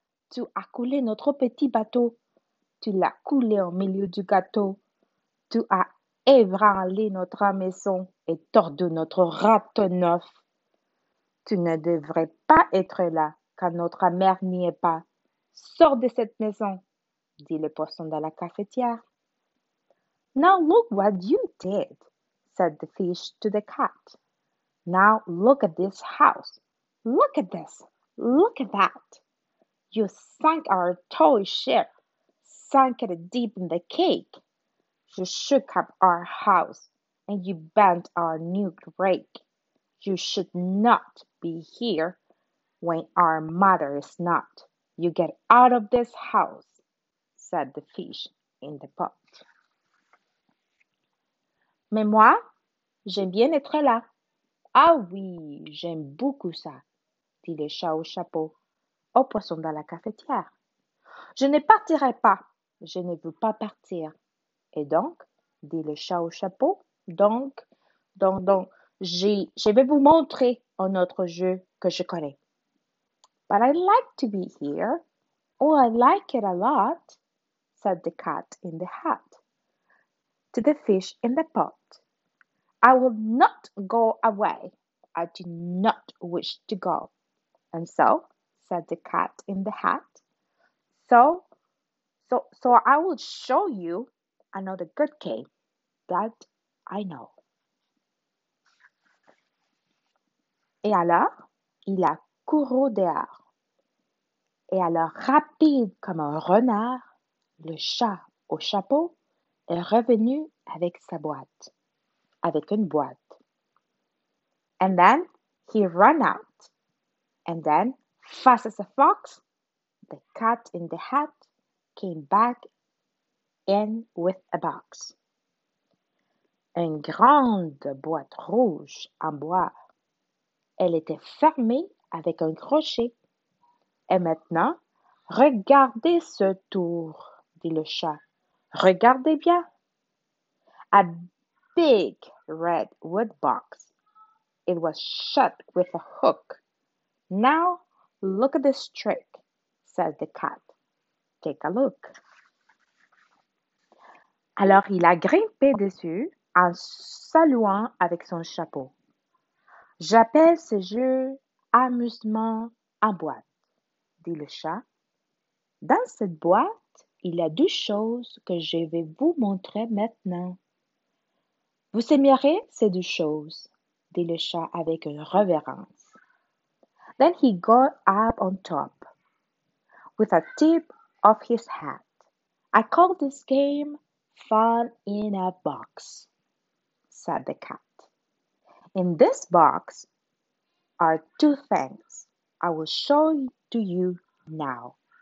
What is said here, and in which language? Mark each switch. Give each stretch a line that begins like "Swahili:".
French: Tu as coulé notre petit bateau. Tu l'as coulé au milieu du gâteau. Tu as ébranlé notre maison et tordu notre ratonneuf. Tu ne devrais pas être là quand notre mère n'y est pas. Sors de cette maison, dit le poisson dans la cafetière.
English: Now look what you did, said the fish to the cat. Now look at this house. Look at this. Look at that. You sank our toy ship. Sank it deep in the cake. You shook up our house and you bent our new rake. You should not be here when our mother is not. You get out of this house, said the fish in the pot.
French: Mais moi, j'aime bien être là. Ah oui, j'aime beaucoup ça, dit le chat au chapeau, au poisson dans la cafetière. Je ne partirai pas. Je ne veux pas partir. Et donc, dit le chat au chapeau, donc, je vais vous montrer un autre jeu que je connais.
English: But I like to be here. Oh, I like it a lot, said the cat in the hat to the fish in the pot. I will not go away. I do not wish to go. And so, said the cat in the hat, So I will show you another good game that I know.
French: Et alors, il a couru dehors. Et alors, rapide comme un renard, le chat au chapeau est revenu avec sa boîte, avec une boîte.
English: And then he ran out. And then, fast as a fox, the cat in the hat came back in with a box.
French: Une grande boîte rouge en bois. Elle était fermée avec un crochet. Et maintenant, regardez ce tour, dit le chat. Regardez bien.
English: A big red wood box. It was shut with a hook. Now, look at this trick, said the cat. Take a look.
French: Alors, il a grimpé dessus en saluant avec son chapeau. J'appelle ce jeu amusement en boîte, dit le chat. Dans cette boîte, il y a deux choses que je vais vous montrer maintenant. Vous aimerez ces deux choses, dit le chat avec une révérence.
English: Then he got up on top with a tip of his hat. I call this game fun in a box, said the cat. In this box are two things I will show to you now.